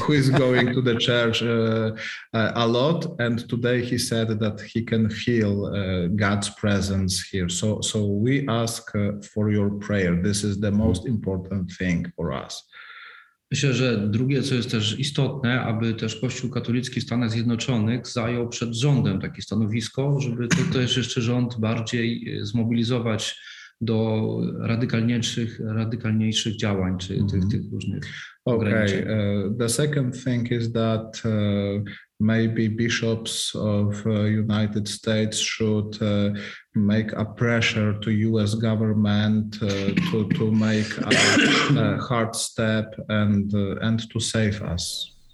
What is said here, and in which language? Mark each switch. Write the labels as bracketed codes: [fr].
[en] Who is going to the church a lot? And today he said that he can feel God's presence here. So we ask for your prayer. This is the most important thing for us. [pl] Myślę, że drugie, co jest też istotne, aby też Kościół katolicki w Stanach Zjednoczonych zajął przed rządem takie stanowisko, żeby to też jeszcze rząd bardziej zmobilizować do radykalniejszych działań, czy tych różnych ograniczeń. [en] Okay. The second thing is that maybe bishops of United States should make a pressure to US government to make a hard step and to save us.